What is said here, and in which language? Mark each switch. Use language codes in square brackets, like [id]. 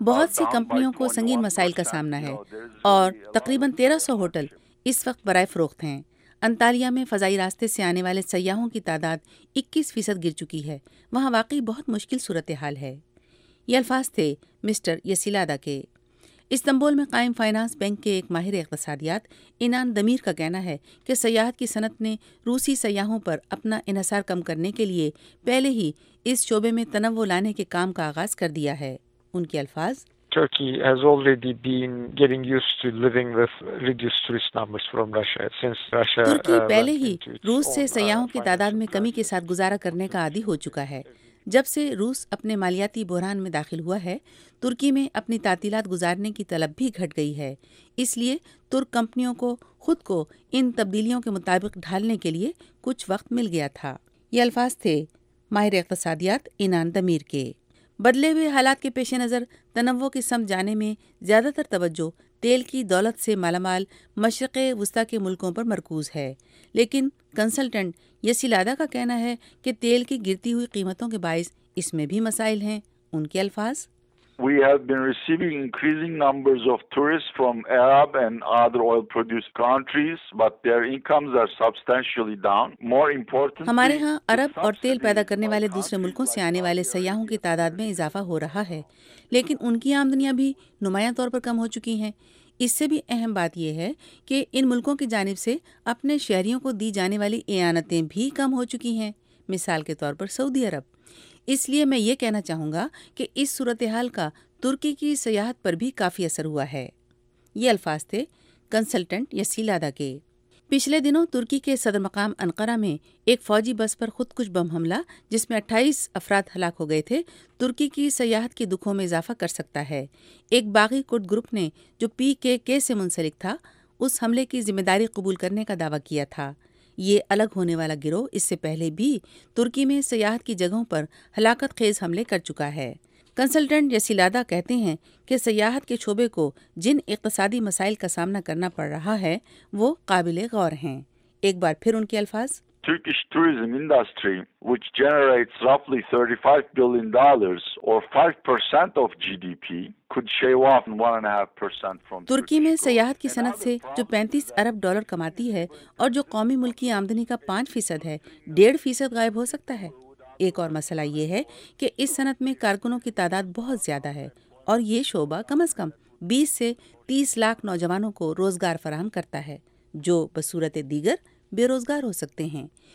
[ur] بہت سی کمپنیوں کو سنگین مسائل کا سامنا ہے اور تقریباً 1300 ہوٹل اس وقت برائے فروخت ہیں۔ انطالیہ میں فضائی راستے سے آنے والے سیاحوں کی تعداد 21% گر چکی ہے۔ وہاں واقعی بہت مشکل صورتحال ہے۔ یہ الفاظ تھے مسٹر یسیلادا کے۔ استنبول میں قائم فائنانس بینک کے ایک ماہر اقتصادیات انان دمیر کا کہنا ہے کہ سیاحت کی صنعت نے روسی سیاحوں پر اپنا انحصار کم کرنے کے لیے پہلے ہی اس شعبے میں تنوع لانے کے کام کا آغاز کر دیا ہے۔ ان کے الفاظ، [en] Turkey has already been getting used to living with reduced tourist numbers from Russia since Russia [ur] ترکی پہلے ہی روس سے سیاحوں کی تعداد میں کمی کے ساتھ گزارا کرنے کا عادی ہو چکا ہے۔ جب سے روس اپنے مالیاتی بحران میں داخل ہوا ہے، ترکی میں اپنی تعطیلات گزارنے کی طلب بھی گھٹ گئی ہے۔ اس لیے ترک کمپنیوں کو خود کو ان تبدیلیوں کے مطابق ڈھالنے کے لیے کچھ وقت مل گیا تھا۔ یہ الفاظ تھے ماہر اقتصادیات انان دمیر کے۔ بدلے ہوئے حالات کے پیش نظر تنوع کی سمت جانے میں زیادہ تر توجہ تیل کی دولت سے مالا مال مشرق وسطی کے ملکوں پر مرکوز ہے، لیکن کنسلٹنٹ یسیلادا کا کہنا ہے کہ تیل کی گرتی ہوئی قیمتوں کے باعث اس میں بھی مسائل ہیں۔ ان کے الفاظ، [en] We have been receiving increasing numbers of tourists from Arab and other oil produced countries, but their incomes are substantially down. More importantly, [ur] ہمارے ہاں عرب اور تیل پیدا کرنے والے دوسرے ملکوں سے آنے والے سیاحوں کی تعداد میں اضافہ ہو رہا ہے، لیکن ان کی آمدنیاں بھی نمایاں طور پر کم ہو چکی ہیں۔ اس سے بھی اہم بات یہ ہے کہ ان ملکوں کی جانب سے اپنے شہریوں کو دی جانے والی اعانتیں بھی کم ہو چکی ہیں، مثال کے طور پر سعودی عرب۔ اس لیے میں یہ کہنا چاہوں گا کہ اس صورتحال کا ترکی کی سیاحت پر بھی کافی اثر ہوا ہے۔ یہ الفاظ تھے کنسلٹنٹ یسیلادا کے۔ پچھلے دنوں ترکی کے صدر مقام انقرہ میں ایک فوجی بس پر خود کش بم حملہ، جس میں 28 افراد ہلاک ہو گئے تھے، ترکی کی سیاحت کے دکھوں میں اضافہ کر سکتا ہے۔ ایک باغی کرد گروپ نے، جو پی کے کے سے منسلک تھا، اس حملے کی ذمہ داری قبول کرنے کا دعویٰ کیا تھا۔ یہ الگ ہونے والا گروہ اس سے پہلے بھی ترکی میں سیاحت کی جگہوں پر ہلاکت خیز حملے کر چکا ہے۔ کنسلٹنٹ یسیلادا کہتے ہیں کہ سیاحت کے شعبے کو جن اقتصادی مسائل کا سامنا کرنا پڑ رہا ہے وہ قابل غور ہیں۔ ایک بار پھر ان کے الفاظ، [en] Turkish tourism industry, which generates roughly $35 billion or 5% of GDP, could shave off 1.5% from [ur] ترکی میں سیاحت کی صنعت سے جو 35 ارب ڈالر کماتی ہے اور جو قومی ملکی آمدنی کا 5% ہے، 1.5% غائب ہو سکتا ہے۔ ایک اور مسئلہ یہ ہے کہ اس صنعت میں کارکنوں کی تعداد بہت زیادہ ہے اور یہ شعبہ کم از کم 20 سے 30 لاکھ نوجوانوں کو روزگار فراہم کرتا ہے، جو بصورت دیگر بے روزگار ہو سکتے ہیں۔